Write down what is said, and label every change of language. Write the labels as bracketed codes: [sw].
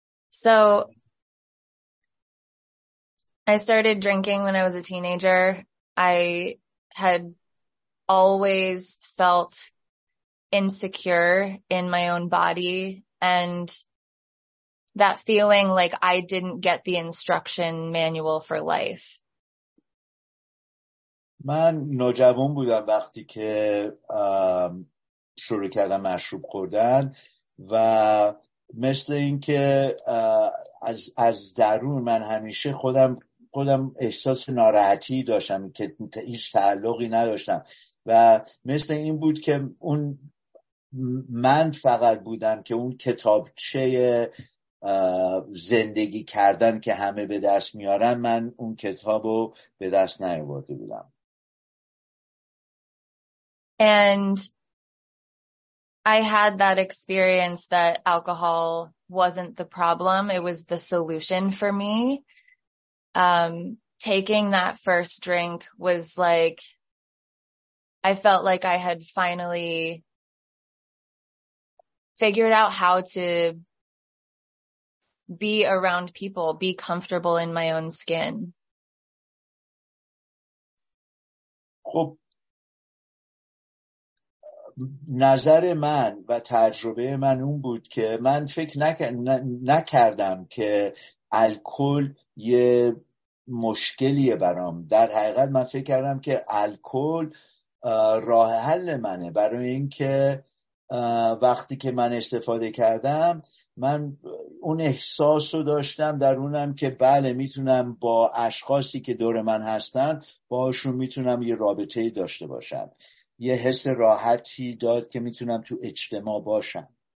[en] So I started drinking when I was a teenager. I had always felt insecure in my own body, and that feeling like I didn't get the instruction manual for life. [fa] من نوجوان بودم وقتی که شروع کردم مشروب خوردن و مثل این که از درون من همیشه خودم احساس ناراحتی داشتم که هیچ تعلقی نداشتم و مثل این بود که اون من فقط بودم که اون کتابچه زندگی کردن که همه به دست میارن، من اون کتابو به دست نیاورده بودم. [en] And I had that experience that alcohol wasn't the problem, it was the solution for me. Taking that first drink was like I felt like I had finally figured out how to be around people, be comfortable in my own skin. [fa] خب نظر من و تجربه من اون بود که من فکر نکردم که الکل یه مشکلیه برام. در حقیقت من فکر کردم که الکل راه حل منه، برای اینکه وقتی که من استفاده کردم من اون احساس رو داشتم درونم که بله میتونم با اشخاصی که دور من هستن باهاشون میتونم یه رابطه داشته باشم، یه حس راحتی داد که میتونم تو اجتماع باشم.